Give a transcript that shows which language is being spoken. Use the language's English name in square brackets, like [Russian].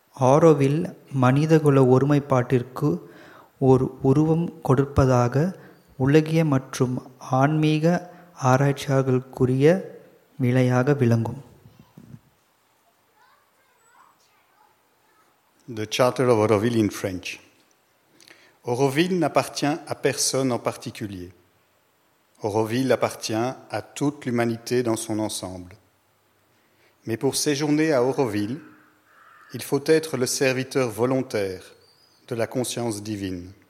[Tamil] ஆரோவில் மனிதகுல ஒருமைப்பாட்டிற்கு ஒரு உருவம் கொடுப்பதாக உலகிய மற்றும் ஆன்மீக ஆராய்ச்சியாளர்களுக்குரிய விளையாக விளங்கும். [English] De Charter of Auroville in French. [French] Auroville n'appartient à personne en particulier. Auroville appartient à toute l'humanité dans son ensemble. Mais pour séjourner à Auroville, il faut être le serviteur volontaire de la conscience divine.